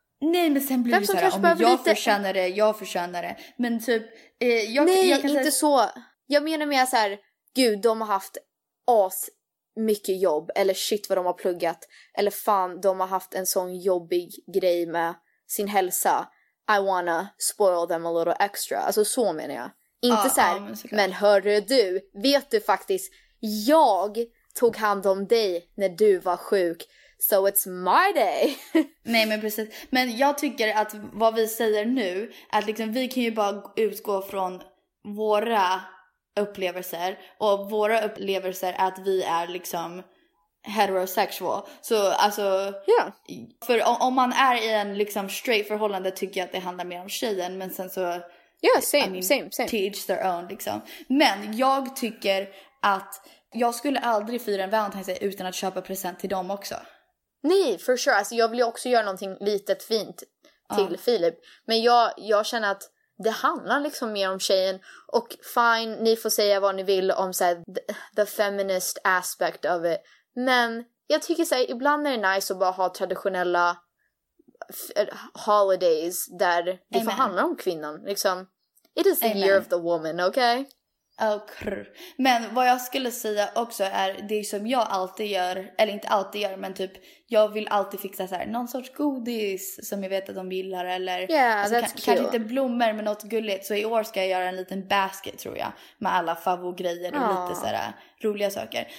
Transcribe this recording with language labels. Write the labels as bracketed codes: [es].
[sv] Nej, men sen blir det så här, om jag förtjänar det, jag förtjänar det. Men typ jag kan inte säga så. Jag menar mer så här, gud, de har haft as mycket jobb eller shit vad de har pluggat eller fan, de har haft en sån jobbig grej med sin hälsa. [en] I wanna spoil them a little extra. [sv] Alltså så menar jag. Inte så här, men hörru du, vet du faktiskt, jag tog hand om dig när du var sjuk. [en] So it's my day. [sv] Nej, men precis. Men jag tycker att vad vi säger nu, att liksom vi kan ju bara utgå från våra upplevelser. Och våra upplevelser är att vi är liksom... heterosexual. Så alltså yeah. För om man är i en liksom straight förhållande tycker jag att det handlar mer om tjejen, men sen så [en] same. To each their own liksom. [sv] Men jag tycker att jag skulle aldrig fira en Valentine's Day utan att köpa present till dem också. Nej, för sure. Alltså, jag vill ju också göra någonting litet fint till Filip. Men jag känner att det handlar liksom mer om tjejen. Och fine, ni får säga vad ni vill om så här, [en] the feminist aspect of it. [sv] Men jag tycker så här, ibland är det nice att bara ha traditionella holidays där det får handla om kvinnan. Liksom. [en] It is the year of the woman, okay? Okay. [sv] Men vad jag skulle säga också är det som jag alltid gör, eller inte alltid gör, men typ jag vill alltid fixa så här, någon sorts godis som jag vet att de gillar. Eller, [en] yeah, alltså, that's cute. [sv] Kanske inte blommor men något gulligt. Så i år ska jag göra en liten basket tror jag med alla favoritgrejer och lite så här roliga saker.